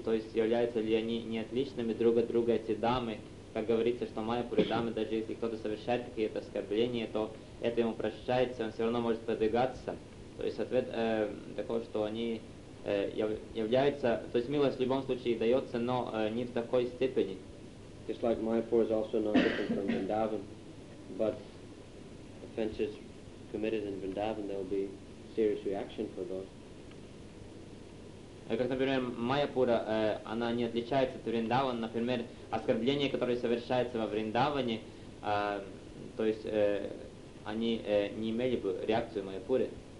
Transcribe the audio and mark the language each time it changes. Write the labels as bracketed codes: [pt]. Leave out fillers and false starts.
[ru] То есть являются ли они не отличными друг от друга эти дамы? Как говорится, что Майяпуре Даме, даже если кто-то совершает какие-то оскорбления, то это ему прощается, он все равно может подвигаться. То есть ответ такой, что они являются, то есть милость в любом случае дается, но не в такой степени. [en] Just like Mayapur is also not different from Vrindavan, but offenses committed in Vrindavan, there will be serious reaction for those. [ru] Как, например, Майяпура, она не отличается от Вриндавана. Например, оскорбления, которые совершаются во Вриндаване, то есть они не имели бы реакцию в Майяпуре.